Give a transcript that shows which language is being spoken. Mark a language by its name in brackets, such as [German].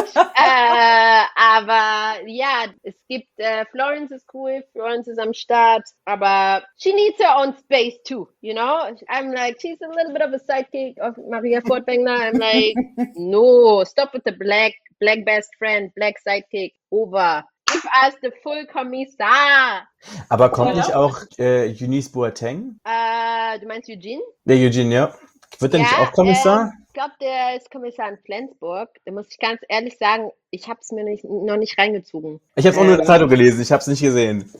[German] aber ja, es gibt, Florence ist cool, Florence ist am Start, aber [English] she needs her own space too, you know? I'm like, she's a little bit of a sidekick of Maria Furtwängler. I'm like, no, stop with the black best friend, black sidekick, over. Give us the full Kommissar. [German] Aber kommt nicht auch Eunice Boateng? Du meinst Eugene? Der Eugene, ja. Wird der nicht auch Kommissar? Ich glaube, der ist Kommissar in Flensburg. Da muss ich ganz ehrlich sagen, ich habe es mir noch nicht reingezogen. Ich habe es auch nur in der Zeitung gelesen, ich habe es nicht gesehen.